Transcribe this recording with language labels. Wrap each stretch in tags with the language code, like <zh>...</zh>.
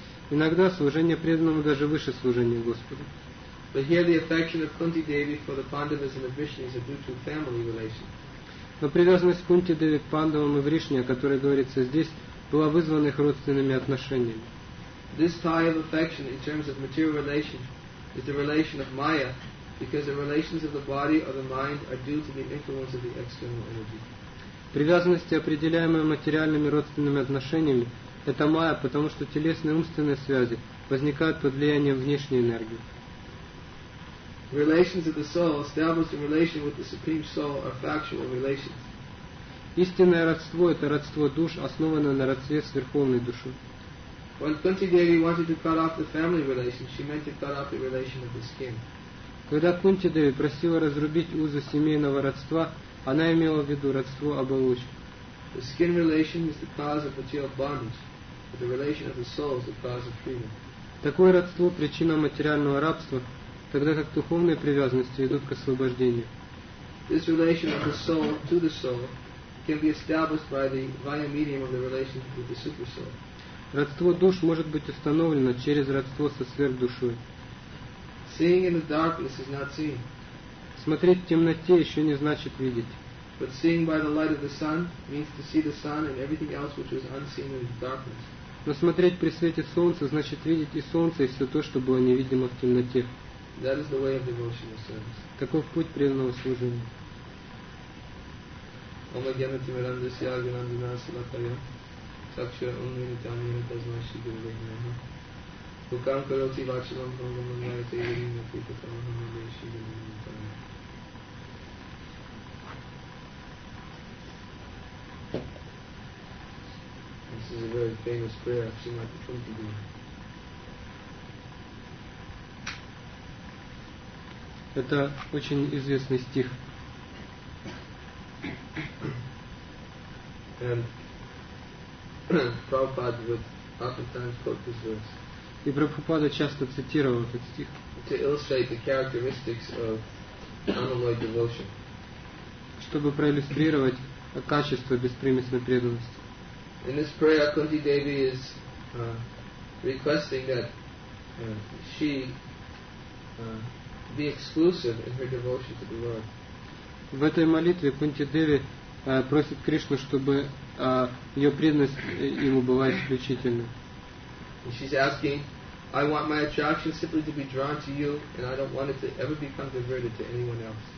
<ru>Иногда служение преданному даже выше служения Господу. Но привязанность Кунти Деви к Пандавам и Вришне, о которой говорится здесь, была вызвана их родственными отношениями.</ru> <en>This tie of affection in terms of material relations is the relation of Maya, because the relations of the body or the mind are due to the influence of the external energy.</en> <ru>Привязанности, определяемые материальными родственными отношениями, это майя, потому что телесные и умственные связи возникают под влиянием внешней энергии.</ru> <en>Relations of the soul established in relation with the Supreme Soul are factual relations.</en> <ru>Истинное родство – это родство душ, основанное на родстве с Верховной Душой.</ru> <en>When Kunti Devi wanted to cut off the family relation, she meant to cut off the relation of the skin.</en> <ru>Когда Кунти Деви просила разрубить узы семейного родства, она имела в виду родство оболочки.</ru> <en>The skin relation is the cause of material bondage, but the relation of the soul is the cause of freedom.</en> <ru>Такое родство – причина материального рабства, тогда как духовные привязанности ведут к освобождению.</ru> <en>This relation of the soul to the soul can be established by the via medium of the relationship with the super soul.</en> <ru>Родство душ может быть установлено через родство со сверхдушой.</ru> <en>Seeing in the darkness is not seeing.</en> <ru>Смотреть в темноте еще не значит видеть.</ru> <en>But seeing by the light of the sun means to see the sun and everything else which was unseen in the darkness.</en> <ru>Но смотреть при свете солнца значит видеть и солнце, и все то, что было невидимо в темноте.</ru> <en>That is the way of devotional service.</en> <ru>Таков путь преданного служения. Ома гьянатимирам дасья агинам динасалакая сакшва унминитамина дазмаши гурвейнаха Рукам короти вакшалам хангамангая тейвиринна пипатамангамангайши гурвейнаха.</ru> <en>This is a very famous prayer of Srimati Kunti Devi.</en> <ru>Это очень известный стих.</ru> <en>And Prabhupada would oftentimes quote this verse.</en> <ru>И Прабхупада часто цитировал этот стих.</ru> <en>To illustrate the characteristics of unalloyed devotion.</en> <ru>Чтобы проиллюстрировать качество беспримесной преданности.</ru> <en>In this prayer, Kunti Devi is requesting that she be exclusive in her devotion to the Lord.</en> <ru>В этой молитве Кунти Деви просит Кришну, чтобы ее преданность ему была исключительной.</ru> <en>She's asking, I want my attraction simply to be drawn to you, and I don't want it to ever become diverted to anyone else.</en>